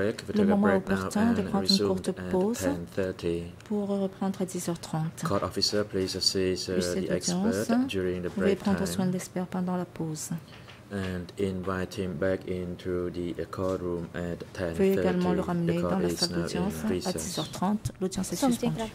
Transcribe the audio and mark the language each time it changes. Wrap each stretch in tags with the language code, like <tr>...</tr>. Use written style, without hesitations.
<fr>le moment opportun de prendre une courte pause pour reprendre à 10h30.</fr> <en>Court officer, please assist the expert during the break.</en> <fr>Veuillez prendre soin de l'expert pendant la pause.</fr> <en>And invite him back into the court room at 10:30.</en> <fr>Veuillez également le ramener dans la salle d'audience à 10h30. L'audience est suspendue.</fr>